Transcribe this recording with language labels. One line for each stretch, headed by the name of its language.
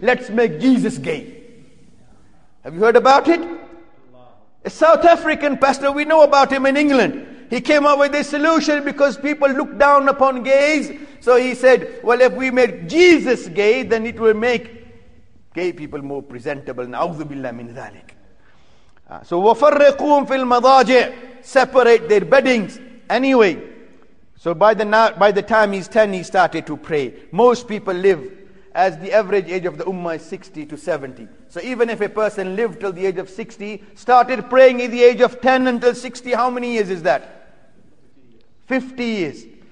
English: Let's make Jesus gay. Have you heard about it? A South African pastor, we know about him in England. He came up with a solution because people look down upon gays. So he said, well, if we make Jesus gay, then it will make gay people more presentable.
Arabic: Na'udhu billah min dhalik. So, وَفَرِّقُوهُمْ فِي الْمَضَاجِعِ.
English: Separate their beddings. Anyway, so by the time he's 10, he started to pray. Most people live as the average age of the ummah is 60 to 70. So even if a person lived till the age of 60, started praying at the age of 10 until 60, how many years is that? 50 years.